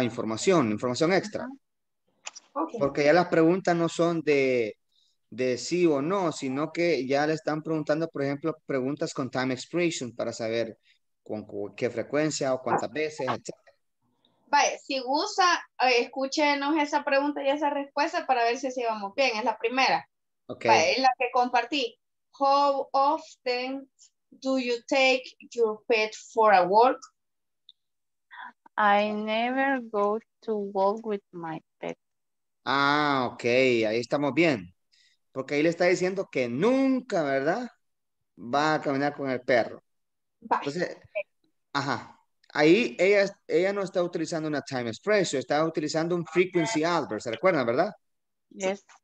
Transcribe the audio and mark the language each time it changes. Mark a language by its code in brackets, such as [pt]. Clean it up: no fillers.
[es] Información extra. Uh-huh. Okay. Porque ya las preguntas no son de sí o no, sino que ya le están preguntando, por ejemplo, preguntas con time expression para saber con qué frecuencia o cuántas veces, etc. Vaya, si gusta, escúchenos esa pregunta y esa respuesta para ver si así vamos bien. Es la primera. Okay. Es la que compartí. [en] How often do you take your pet for a walk? I never go to walk with my pet. [es] Ah, ok. Ahí estamos bien. Porque ahí le está diciendo que nunca, ¿verdad? Va a caminar con el perro. [en] Bye. [es] Entonces, okay. Ajá. Ahí ella no está utilizando una time expression, está utilizando un frequency adverb, ¿se recuerdan, verdad? [en] Yes.